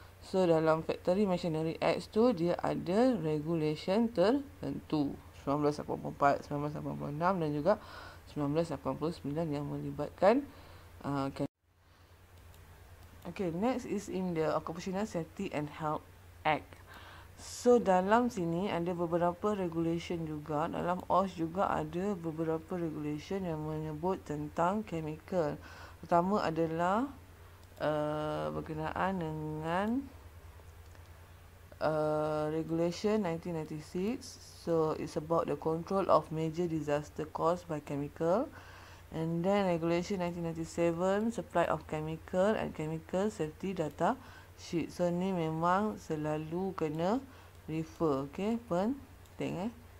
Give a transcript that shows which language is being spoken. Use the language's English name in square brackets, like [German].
[Malay] So dalam Factory Machinery Act tu dia ada regulation tertentu 1984, 1986 dan juga 1989 yang melibatkan. [English] Okay, next is in the Occupational Safety and Health Act. [Malay] So dalam sini ada beberapa regulation juga. Dalam OSH juga ada beberapa regulation yang menyebut tentang chemical. Pertama adalah berkenaan dengan regulation 1996. [English] So it's about the control of major disaster caused by chemical. And then regulation 1997, supply of chemical and chemical safety data sheet. [Malay] So ni memang selalu kena refer, okay, penting eh.